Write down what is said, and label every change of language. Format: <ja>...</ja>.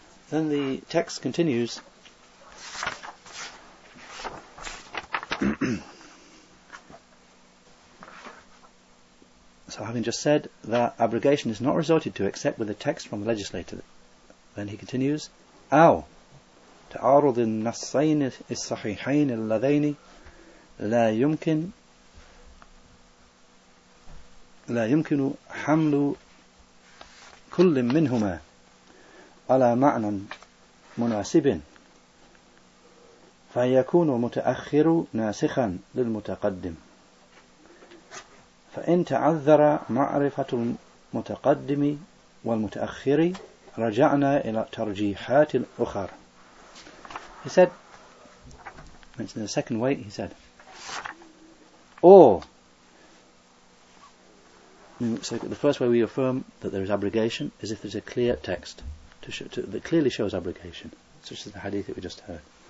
<en>Then the text continues. So having just said that abrogation is not resorted to except with a text from the legislator, then he continues, Ow.</en> <ar>تعارض النصين الصحيحين اللذين لا يمكن لا يمكن حمل كل منهما على معنى مناسب فيكون متأخر ناسخا للمتقدم فإن تعذر معرفة المتقدم والمتأخر رجعنا إلى ترجيحات أخرى.</ar> <en>He said, in the second way, he said, or, so the first way we affirm that there is abrogation is if there's a clear text that clearly shows abrogation, such as the hadith that we just heard.</en>